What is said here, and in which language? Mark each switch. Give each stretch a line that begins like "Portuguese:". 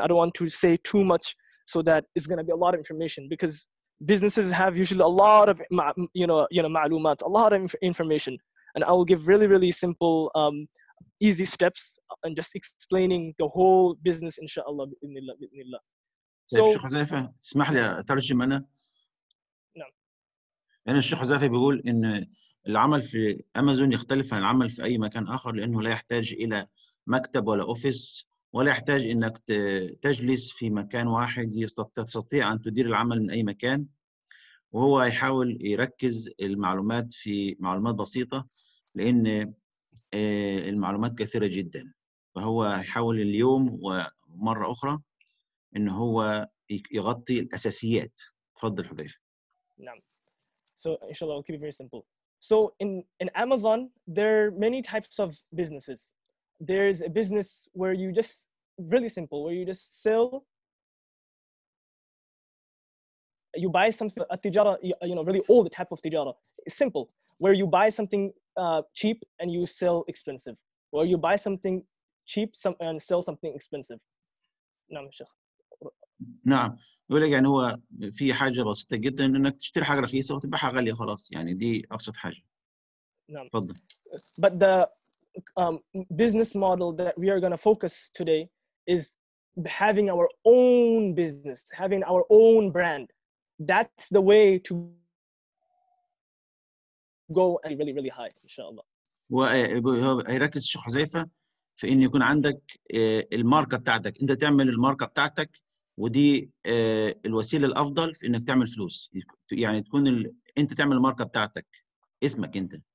English: I don't want to say too much so that it's going to be a lot of information because businesses have usually a lot of, you know, ma'lumat, a lot of information. And I will give really, really simple easy steps and just explaining the whole business, inshallah,
Arabic: بإذن الله, بإذن الله. الشيخ حذيفة اسمح لي أترجم أنا. نعم. لأن الشيخ حذيفة بيقول إن العمل في أمازون يختلف عن العمل في أي مكان آخر لأنه لا يحتاج إلى مكتب ولا أوفيس ولا يحتاج إنك تجلس في مكان واحد, تستطيع أن تدير العمل من أي مكان. وهو يحاول يركز المعلومات في معلومات بسيطة لأن المعلومات كثيرة جدا, فهو يحاول اليوم ومرة أخرى إن هو يغطي الأساسيات. تفضل حذيفة. نعم.
English: So inshallah we'll keep it very simple. So in Amazon there are many types of businesses. There's a business where you just really simple where you just sell. You buy something a tijara, you know, really old type of tijara. It's simple where you buy something cheap and you sell expensive, or you buy something cheap and sell something expensive.
Arabic: نعم شيخ. نعم يقول لك يعني هو في حاجة بسيطة جدا انك تشتري حاجة رخيصة وتبيعها غالية خلاص, يعني دي أبسط حاجة. نعم فضل.
English: But the business model that we are going to focus today is having our own business, having our own brand. That's the way to go and really really high inshallah.
Arabic: هو هيركز الشيخ حذيفة في ان يكون عندك الماركة بتاعتك, انت تعمل الماركة بتاعتك, ودي الوسيله الافضل في انك تعمل فلوس, يعني تكون انت تعمل الماركه بتاعتك اسمك انت.